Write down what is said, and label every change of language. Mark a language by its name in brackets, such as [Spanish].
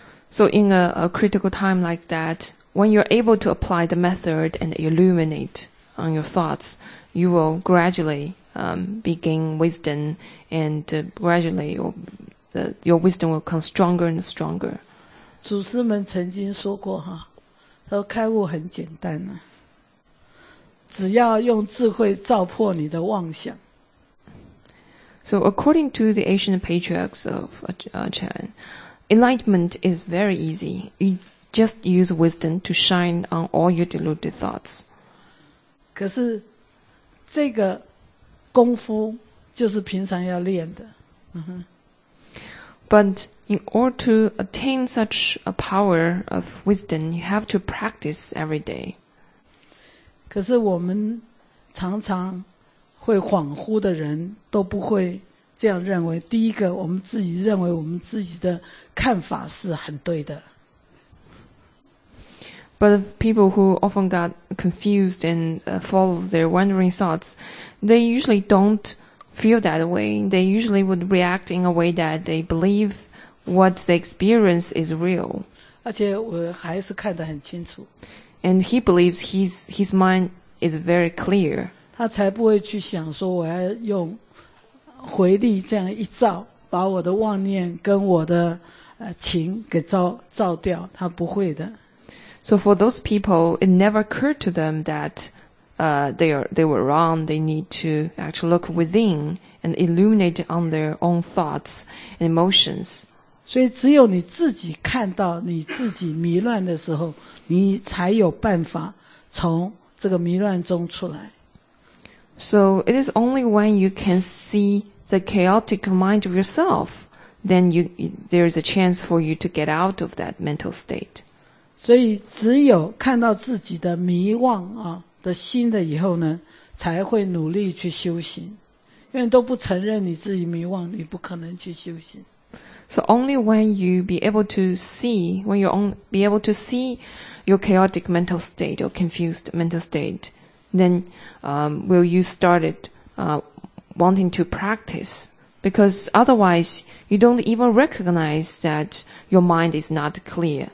[English] So in a critical time like that, when you're able to apply the method and illuminate on your thoughts, you will gradually, begin wisdom, and, gradually your wisdom will come stronger and stronger. [Chinese] 祖师们曾经说过哈，他说开悟很简单啊，只要用智慧照破你的妄想。 [English] So according to the ancient patriarchs of Chan, enlightenment is very easy. You just use wisdom to shine on all your deluded thoughts. [Chinese] 可是这个功夫就是平常要练的。 [English] But in order to attain such a power of wisdom, you have to practice every day. [Chinese] 可是我们常常会恍惚的人都不会这样认为。第一个，我们自己认为我们自己的看法是很对的。 [English] But people who often got confused and follow their wandering thoughts, they usually don't feel that way. They usually would react in a way that they believe what they experience is real. [Chinese] 而且我还是看得很清楚。 [English] And he believes his mind is very clear. [Chinese] 他才不会去想说我要用回力这样一照，把我的妄念跟我的情给照掉，他不会的。 [English] So for those people, it never occurred to them that they were wrong. They need to actually look within and illuminate on their own thoughts and emotions. [Chinese] 所以只有你自己看到你自己迷乱的时候，你才有办法从这个迷乱中出来。 [English] So it is only when you can see the chaotic mind of yourself, then there is a chance for you to get out of that mental state. [Chinese] 所以只有看到自己的迷惘啊的心的以后呢，才会努力去修行。因为都不承认你自己迷惘，你不可能去修行。 [English] So only when you be able to see, when you be able to see your chaotic mental state or confused mental state, then will you started wanting to practice. Because otherwise, you don't even recognize that your mind is not clear.